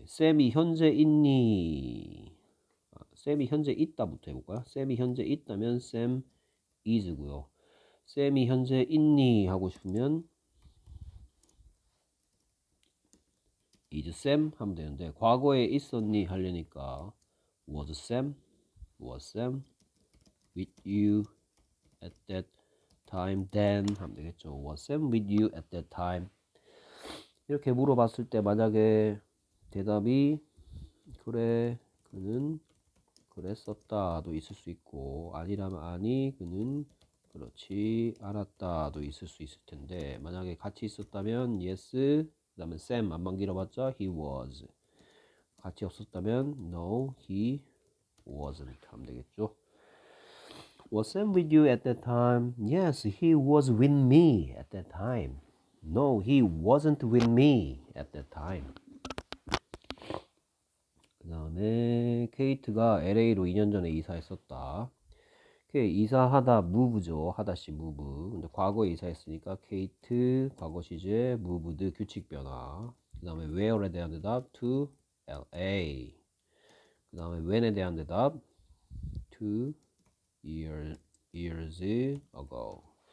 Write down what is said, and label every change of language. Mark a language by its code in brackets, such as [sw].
[ko] 샘이 현재 있니? 아, 샘이 현재 있다부터 해볼까요? 샘이 현재 있다면 샘 is고요. 샘이 현재 있니? 하고 싶으면 [en] Is Sam? [ko] 하면 되는데 과거에 있었니? 하려니까 [en] Was Sam? Was Sam with you at that time then? 하면 되겠죠. Was Sam with you at that time? [ko] 이렇게 물어봤을 때 만약에 대답이 그래, 그는 그랬었다도 있을 수 있고 아니라면 아니, 그는 그렇지 않았다도 있을 수 있을 텐데 만약에 같이 있었다면 Yes 그 다음에 샘 안만 길어봤자 he was 같이 없었다면 no he wasn't 하면 되겠죠. [en] Was Sam with you at that time? Yes, he was with me at that time. No, he wasn't with me at that time. [ko] 그다음에 케이트가 LA로 2년 전에 이사했었다. 이사하다 무브죠. 하다시 무브. 근데 과거에 이사했으니까 케이트 과거 시제 무브드 규칙 변화. 그다음에 where에 대한 대답 to LA. 그다음에 when에 대한 대답 two years ago.